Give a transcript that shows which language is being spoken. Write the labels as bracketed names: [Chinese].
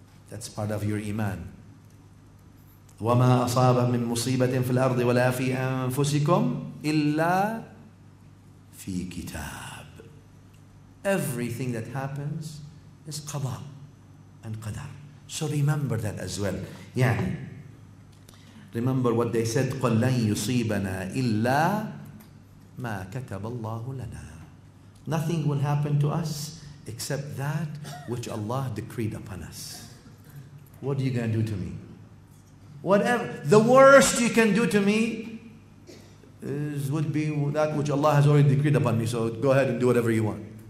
[English] That's part of your iman. [Arabic] وَمَا أَصَابَ مِن مُصِيبَةٍ فِي الْأَرْضِ وَلَا فِي أَنفُسِكُمْ إِلَّا فِي كِتَاب. [English] Everything that happens is qada and qadar. So remember that as well. Yeah. Remember what they said, [Arabic] قُلْ لَنْ يُصِيبَنَا إِلَّا مَا كَتَبَ اللَّهُ لَنَا. [English] Nothing will happen to us except that which Allah decreed upon us. What are you going to do to me? Whatever, the worst you can do to me would be that which Allah has already decreed upon me, so go ahead and do whatever you want.